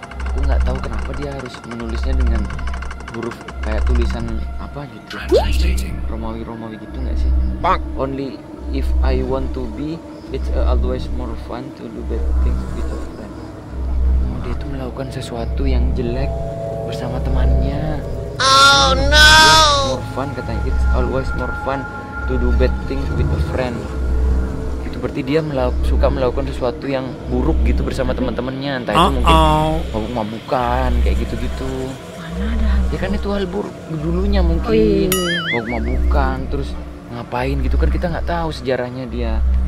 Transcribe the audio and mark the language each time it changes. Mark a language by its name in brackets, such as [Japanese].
[Indonesian] Aku nggak tahu kenapa dia harus menulisnya dengan huruf kayak tulisan apa gitu, Romawi gitu nggak sih? Pak. [English] Only if I want to be, it's always more fun to do bad things with a friend. [Indonesian] Oh, dia itu melakukan sesuatu yang jelek bersama temannya. [English] Oh no. More fun katanya, it's always more fun to do bad things with a friend. [Indonesian] Itu berarti dia suka melakukan sesuatu yang buruk gitu bersama teman-temannya, entah itu mungkin mabuk-mabukan kayak gitu-gitu. Ya kan itu hal buruk dulunya mungkin. Oh, iya. Mabuk-mabukan terus ngapain gitu kan, kita nggak tahu sejarahnya dia.